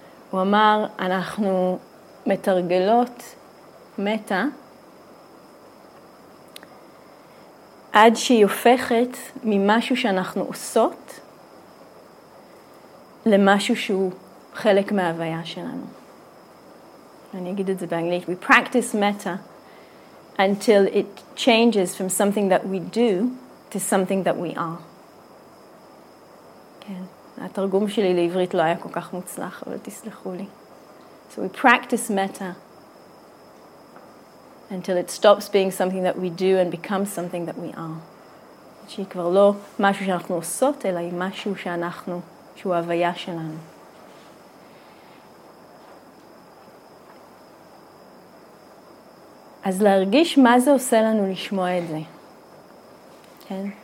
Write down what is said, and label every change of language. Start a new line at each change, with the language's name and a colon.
Hebrew: הוא אמר, אנחנו מתרגלות מטה עד שהיא הופכת ממשהו שאנחנו עושות למשהו שהוא חלק מההוויה שלנו. אני אגיד את זה באנגלית.
English: We practice metta until it changes from something that we do to something that we are.
Hebrew: כן. התרגום שלי לעברית לא היה כל כך מוצלח, אבל תסלחו לי.
English: So we practice metta until it stops being something that we do and becomes something that we are.
Hebrew: שהיא כבר לא משהו שאנחנו עושות, אלא היא משהו שאנחנו, שהוא ההוויה שלנו. אז להרגיש מה זה עושה לנו לשמוע את זה. כן?